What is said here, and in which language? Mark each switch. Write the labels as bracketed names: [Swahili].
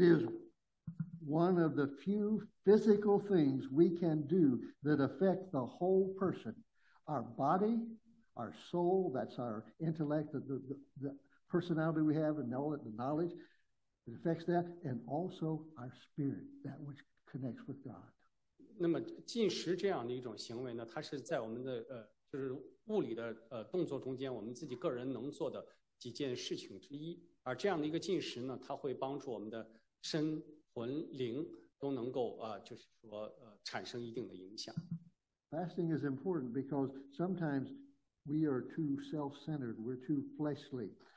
[English] is one of the few physical things we can do that affect the whole person, our body, our soul, that's our intellect, the personality we have and all the knowledge. It affects that, and also our spirit, that which connects with God. [Chinese] 那么进食这样的一种行为呢，它是在我们的就是物理的动作中间，我们自己个人能做的几件事情之一。而这样的一个进食呢，它会帮助我们的身魂灵都能够产生一定的影响。 [English] Fasting is important because sometimes we are too self-centered, we're too fleshly.